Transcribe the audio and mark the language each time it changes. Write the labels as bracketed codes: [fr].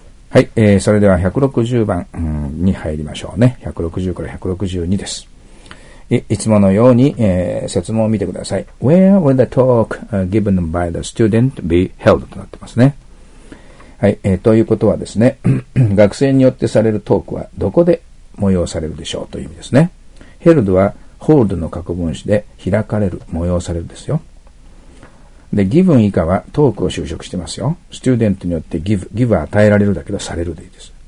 [ja] はい、それでは160番に入りましょうね。 160から162です。いつものように、説問を見てください。 [en] Where will the talk given by the student be held [ja] となってますね。はい、ということはですね学生によってされるトークはどこで催されるでしょうという意味ですね。 held は hold の過去分詞で開かれる、催されるですよ。で、given 以下はトークを修飾してますよ。student によって give は与えられるだけどされるでいいです。